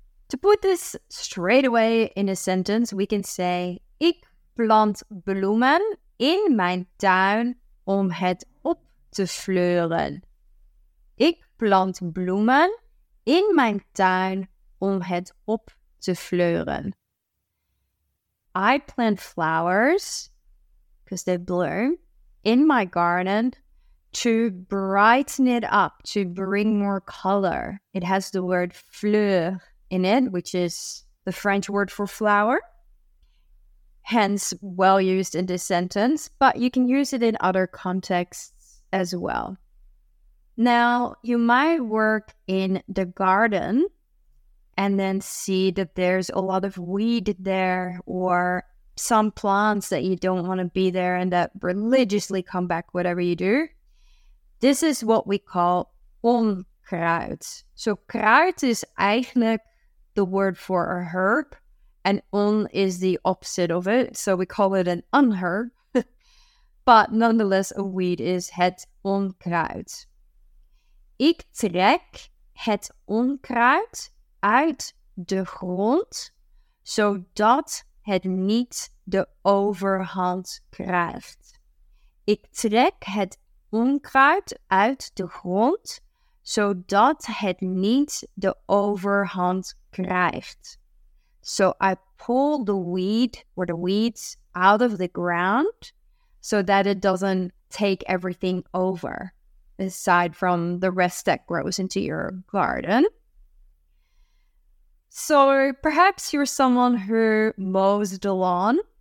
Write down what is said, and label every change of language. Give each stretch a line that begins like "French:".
English: To put this straight away in a sentence, we can say ik plant bloemen in mijn tuin om het op te fleuren.
Dutch: Ik plant bloemen in mijn tuin om het op te fleuren.
English: I plant flowers, because they bloom, in my garden to brighten it up, to bring more color. It has the word fleur in it, which is the French word for flower. Hence, well used in this sentence, but you can use it in other contexts as well. Now, you might work in the garden and then see that there's a lot of weed there or some plants that you don't want to be there and that religiously come back whatever you do. This is what we call onkruid. So kruid is eigenlijk the word for a herb and on is the opposite of it. So we call it an unherb. But nonetheless, a weed is het onkruid.
Dutch: Ik trek het onkruid uit de grond, zodat het niet de overhand krijgt. Ik trek het onkruid uit de grond, zodat het niet de overhand krijgt.
English: So I pull the weed or the weeds out of the ground, so that it doesn't take everything over, aside from the rest that grows into your garden. So perhaps you're someone who mows the lawn.